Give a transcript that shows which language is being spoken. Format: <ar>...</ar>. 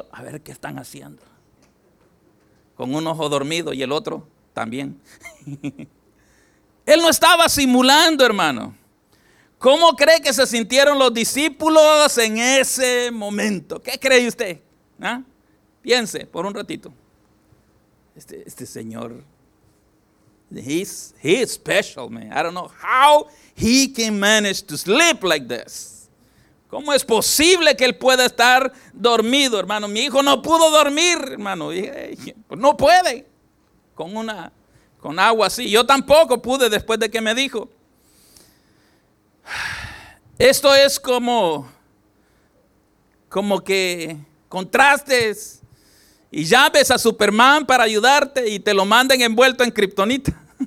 <es>A ver, ¿qué están haciendo? Con un ojo dormido y el otro también. Él no estaba simulando, hermano. ¿Cómo cree que se sintieron los discípulos en ese momento? ¿Qué cree usted? ¿Ah? Piense por un ratito. Este señor,</es> <en>he's special, man. I don't know how he can manage to sleep like this.</en> <es>¿Cómo es posible que él pueda estar dormido, hermano? Mi hijo no pudo dormir, hermano. Pues no puede con agua así. Yo tampoco pude después de que me dijo. Esto es como que contrastes y llames a Superman para ayudarte y te lo manden envuelto en kriptonita.</es>